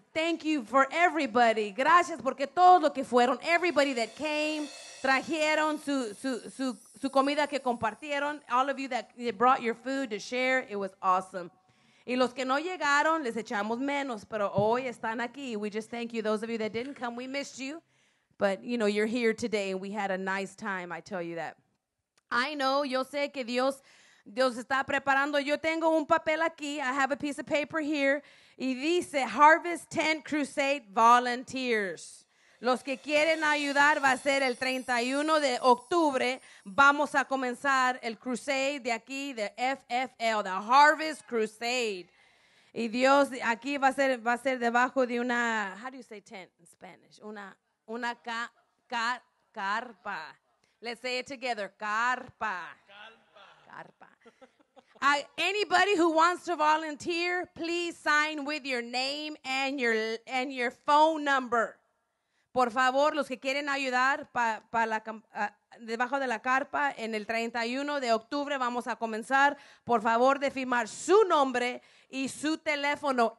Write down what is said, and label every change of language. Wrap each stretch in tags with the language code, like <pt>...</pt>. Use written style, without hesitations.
<en>Thank you for everybody.</en> <es>Gracias porque todos los que fueron,</es> <en>everybody that came,</en> <es>trajeron su comida que compartieron,</es> <en>all of you that brought your food to share, it was awesome.</en> <es>Y los que no llegaron, les echamos menos, pero hoy están aquí.</es> <en>We just thank you. Those of you that didn't come, we missed you. But, you know, you're here today, and we had a nice time, I tell you that. I know,</en> <es>yo sé que Dios está preparando. Yo tengo un papel aquí.</es> <en>I have a piece of paper here.</en> <es>Y dice, Harvest Tent Crusade Volunteers. Los que quieren ayudar, va a ser el 31 de octubre. Vamos a comenzar el crusade de aquí, de FFL, the Harvest Crusade. Y Dios, aquí va a ser debajo de una,</es> <en>how do you say tent in Spanish?</en> <es>Una carpa.</es> <en>Let's say it together, carpa.</en> <es>Carpa.</es> <en>Anybody who wants to volunteer, please sign with your name and your phone number.</en> <es>Por favor, los que quieren ayudar debajo de la carpa, en el 31 de octubre vamos a comenzar. Por favor, de firmar su nombre y su teléfono.</es>